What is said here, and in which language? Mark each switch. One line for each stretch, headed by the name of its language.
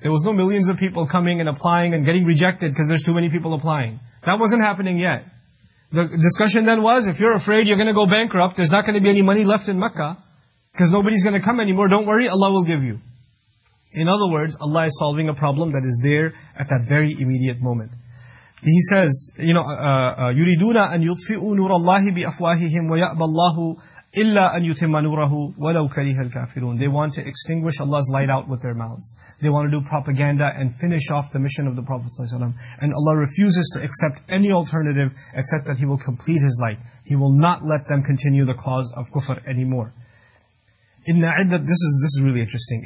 English: There was no millions of people coming and applying and getting rejected because there's too many people applying. That wasn't happening yet. The discussion then was, if you're afraid you're going to go bankrupt, there's not going to be any money left in Makkah, because nobody's going to come anymore, don't worry, Allah will give you. In other words, Allah is solving a problem that is there at that very immediate moment. He says, you know,
Arabic: يُرِدُونَ أَن يُطْفِئُوا نُورَ اللَّهِ بِأَفْوَاهِهِمْ وَيَأْبَى اللَّهُ إِلَّا أَن يُتِمَّ نُورَهُ وَلَوْ كَرِهَ الْكَافِرُونَ.
English: They want to extinguish Allah's light out with their mouths. They want to do propaganda and finish off the mission of the Prophet ﷺ. And Allah refuses to accept any alternative except that He will complete His light. He will not let them continue the cause of kufr anymore. This is really interesting.